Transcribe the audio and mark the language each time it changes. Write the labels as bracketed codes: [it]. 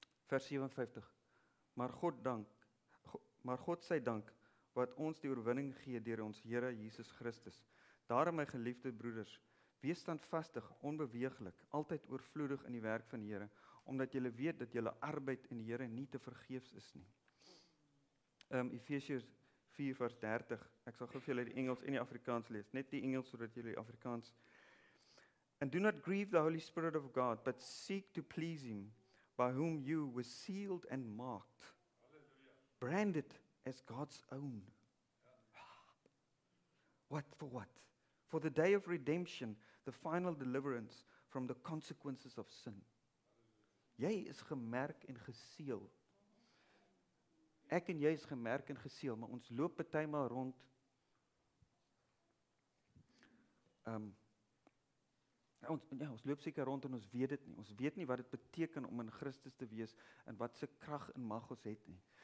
[af] Vers 57, maar God sy dank, wat ons die oorwinning gee deur ons Here Jesus Christus, daarom my geliefde broeders, wees standvastig, onbeweeglik, altyd oorvloedig in die werk van die Here, omdat julle weet dat julle arbeid in die Here nie te vergeefs is nie. Efesiërs 4 vers 30, ek sal gou vir julle die Engels en die Afrikaans lees, net die Engels sodat julle die Afrikaans. [en] And do not grieve the Holy Spirit of God, but seek to please him, by whom you were sealed and marked, branded as God's own. What? For what? For the day of redemption, the final deliverance from the consequences of sin. [af] Jy is gemerk en geseel. Ek en jy is gemerk en geseel, maar ons loop baie maal rond. Ons loop seker rond en ons weet dit nie. Ons weet nie wat dit beteken om in Christus te wees en wat se krag en mag ons het nie.